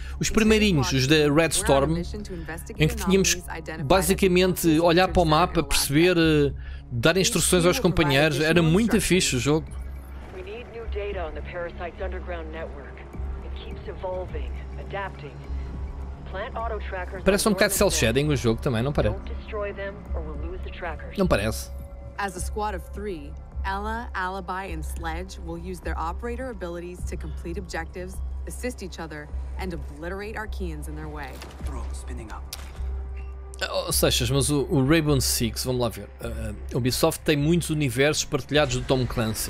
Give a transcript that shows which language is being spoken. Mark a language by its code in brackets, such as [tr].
[pt] Os primeirinhos, os da Red Storm, em que tínhamos basicamente olhar para o mapa, perceber, dar instruções aos companheiros. Era muito fixe o jogo. [en] Data on the parasite's underground network. It keeps evolving, adapting. Plant auto trackers. [pt] Parece um bocado cel shading o jogo também, não parece? [en] Don't destroy them or we'll lose the trackers. [pt] Não parece. [en] As a squad of three, Ella, Alibi, and Sledge will use their operator abilities to complete objectives, assist each other, and obliterate Arkeans in their way. Drone spinning up. [pt] Oh, Seixas, mas o Rainbow Six, vamos lá ver. Ubisoft tem muitos universos partilhados do Tom Clancy.